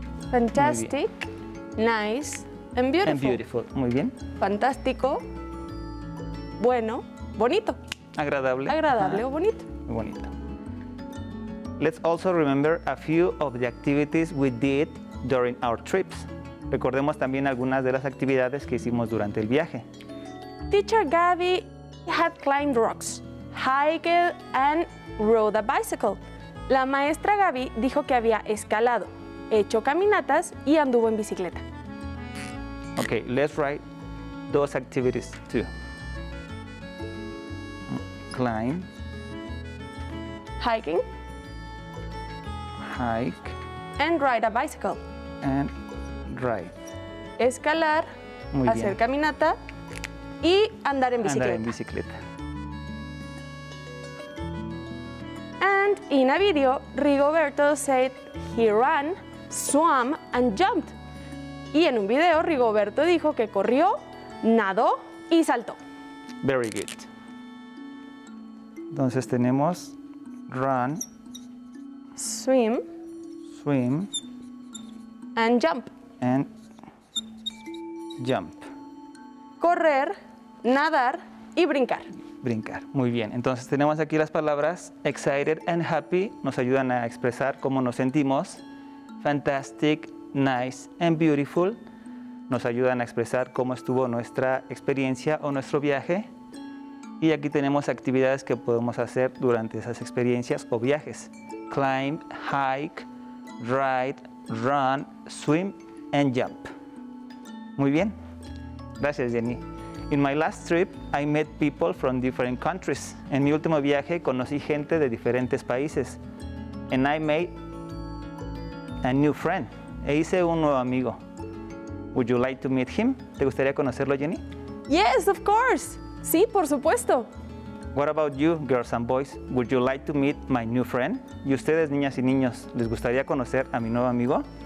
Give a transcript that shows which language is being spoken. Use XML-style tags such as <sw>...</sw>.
<en>Fantastic, nice, and beautiful. And beautiful,</en> <es>muy bien. Fantástico, bueno, bonito. Agradable. Agradable o bonito. Muy bonito.</es> <en>Let's also remember a few of the activities we did during our trips.</en> <es>Recordemos también algunas de las actividades que hicimos durante el viaje.</es> <en>Teacher Gaby had climbed rocks, hiked and rode a bicycle.</en> <es>La maestra Gaby dijo que había escalado, hecho caminatas y anduvo en bicicleta.</es> <en>Okay, let's write those activities too. Climb. Hiking. Hike. And ride a bicycle. And ride.</en> <es>Escalar, muy hacer bien. Caminata y andar en bicicleta. Andar en bicicleta.</es> <en>And in a video, Rigoberto said he ran, swam and jumped.</en> <es>Y en un video, Rigoberto dijo que corrió, nadó y saltó.</es> <en>Very good.</en> <es>Entonces tenemos</es> <en>run, swim, swim, and jump. And jump.</en> <es>Correr, nadar y brincar. Brincar, muy bien. Entonces tenemos aquí las palabras</es> <en>excited and happy,</en> <es>nos ayudan a expresar cómo nos sentimos.</es> <en>Fantastic, nice, and beautiful,</en> <es>nos ayudan a expresar cómo estuvo nuestra experiencia o nuestro viaje. Y aquí tenemos actividades que podemos hacer durante esas experiencias o viajes.</es> <en>Climb, hike, ride, run, swim, and jump.</en> <es>Muy bien. Gracias, Jenny.</es> <en>In my last trip, I met people from different countries.</en> <es>En mi último viaje, conocí gente de diferentes países.</es> <en>And I made a new friend.</en> <es>E hice un nuevo amigo.</es> <en>Would you like to meet him?</en> <es>¿Te gustaría conocerlo, Jenny?</es> <en>Yes, of course.</en> <es>Sí, por supuesto.</es> <en>What about you, girls and boys? Would you like to meet my new friend?</en> <es>¿Y ustedes, niñas y niños, les gustaría conocer a mi nuevo amigo?</es>